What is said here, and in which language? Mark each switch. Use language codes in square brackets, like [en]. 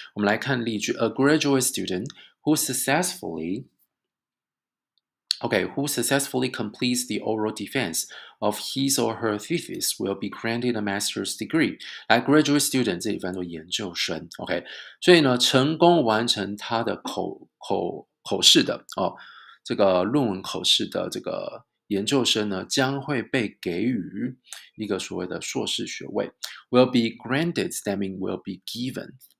[zh] 我们来看例句 [en] ：A graduate student who successfully Okay, who successfully completes the oral defense of his or her thesis will be granted a master's degree. Like graduate student, [zh] 这里翻作研究生。 Okay, 所以呢，成功完成他的口试的哦，这个论文口试的这个研究生呢，将会被给予一个所谓的硕士学位。 [en] Will be granted, that means will be given.